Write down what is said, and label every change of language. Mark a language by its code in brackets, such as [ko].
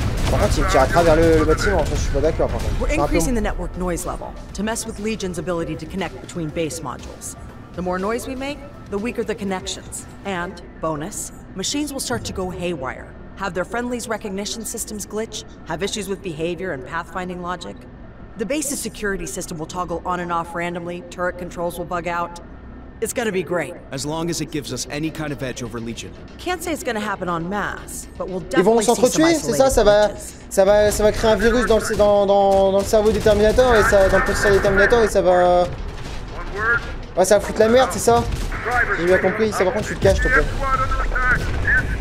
[fr] Par contre, il tire à travers le bâtiment, ça, je suis pas d'accord par contre. [en] We're increasing the network noise level to mess with Legion's ability to connect between base modules. The more noise we make, the weaker the connections. And, bonus, machines will start to go haywire. Have their friendlies' recognition systems glitch, have issues with behavior and pathfinding logic. The base's security system will toggle on and off randomly, turret controls will bug out. It's gonna be great. As long as it gives us any kind of edge over Legion. Can't say it's gonna happen en masse, but we'll definitely see some isolated glitches. [fr] Ils vont s'entretuer, c'est ça? Ça va créer un virus dans le cerveau du Terminator, et ça, dans le processeur du Terminator, et ça va... Ouais, ça va foutre la merde, c'est ça? J'ai bien compris, ça va prendre, tu te caches, s'il te plaît.